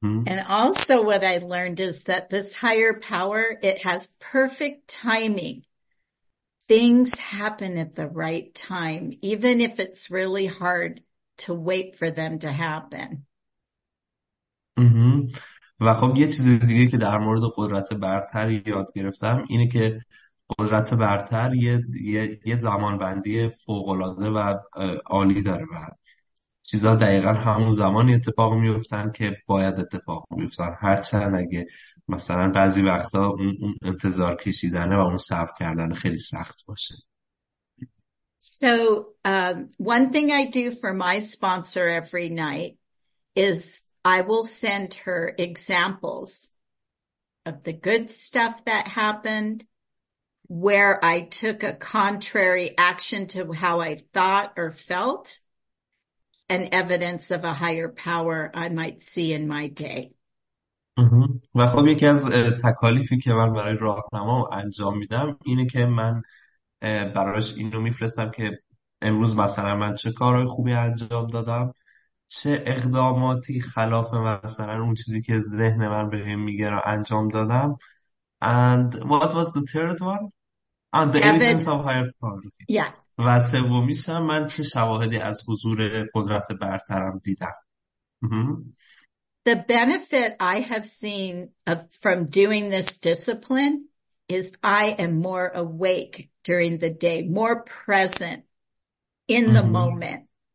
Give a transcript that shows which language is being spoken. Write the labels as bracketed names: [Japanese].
[English] And also what I learned is that this higher power, it has perfect timing. Things happen at the right time, even if it's really hard to wait for them to happen. [Persian] و خب یه چیز دیگه که در مورد قدرت برتر یاد گرفتم اینه که قدرت برتر یه زمانبندی فوق‌العاده و عالی داره و چیزا دقیقا همون زمانی اتفاق میفتن که باید اتفاق میفتن، هرچند اگه مثلا بعضی وقتا اون انتظار کشیدنه و اون صبر کردن خیلی سخت باشه. [English] So one thing I do for my sponsor every night is I will send her examples of the good stuff that happened, where I took a contrary action to how I thought or felt, and evidence of a higher power I might see in my day. [Persian] و خب یکی از تکالیفی که من برای راهنما انجام میدم اینه که من برایش اینو میفرستم که امروز مثلا من چه کارهای خوبی انجام دادم، چه اقداماتی خلاف مثلا اون چیزی که ذهن من به هم میگه رو انجام دادم. [English] And what was the third one? And the evidence of higher power. [Persian] و سومیش هم من چه شواهدی از حضور قدرت برترم دیدم. [English] The benefit I have seen from doing this discipline is I am more awake during the day, more present in the moment.